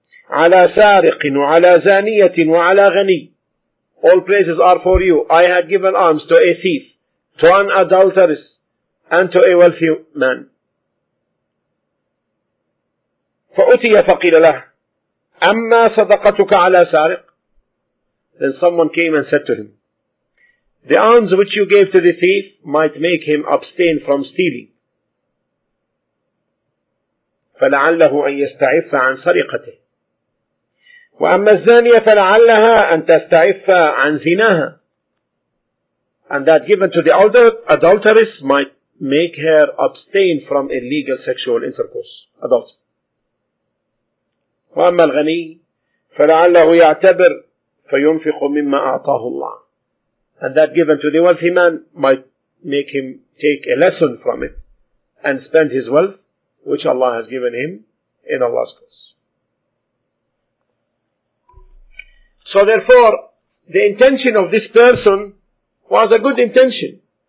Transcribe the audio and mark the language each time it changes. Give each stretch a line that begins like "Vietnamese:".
Arabic: على سارق وعلى زانية وعلى غني.
English: All praises are for you. I had given alms to a thief, to an adulteress, and to a wealthy man."
Arabic: فأتي فقيل له, أما صدقتك على سارق?
English: Then someone came and said to him, "The alms which you gave to the thief might make him abstain from stealing.
Arabic: فلعله أن يستعف عن سرقته. وأما الزانية فلعلها أن تستعف عن زناها."
English: And that given to the adulteress might make her abstain from illegal sexual intercourse. Adultery.
Arabic: وأما الغني فلعله يعتبر فينفق مما أعطاه الله.
English: And that given to the wealthy man might make him take a lesson from it and spend his wealth which Allah has given him in Allah's cause. So therefore, the intention of this person was a good intention.